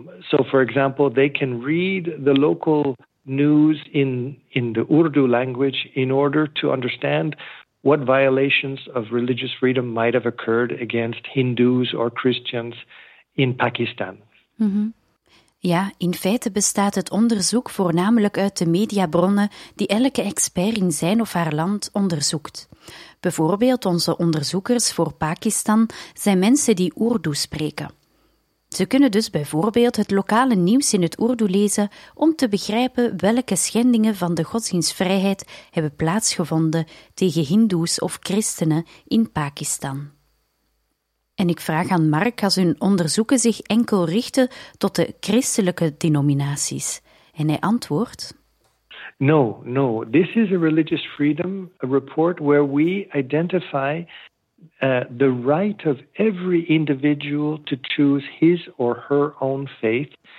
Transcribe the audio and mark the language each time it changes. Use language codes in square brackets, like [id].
[en] So, for example, they can read the local news in the Urdu language in order to understand what violations of religious freedom might have occurred against Hindus or Christians in Pakistan. Mm-hmm. [nl] Ja, in feite bestaat het onderzoek voornamelijk uit de mediabronnen die elke expert in zijn of haar land onderzoekt. Bijvoorbeeld onze onderzoekers voor Pakistan zijn mensen die Urdu spreken. Ze kunnen dus bijvoorbeeld het lokale nieuws in het Urdu lezen om te begrijpen welke schendingen van de godsdienstvrijheid hebben plaatsgevonden tegen Hindoes of christenen in Pakistan. En ik vraag aan Mark als hun onderzoeken zich enkel richten tot de christelijke denominaties. En hij antwoordt. [en] No. This is a religious freedom report where we identify the right of every individual to choose his or her own faith.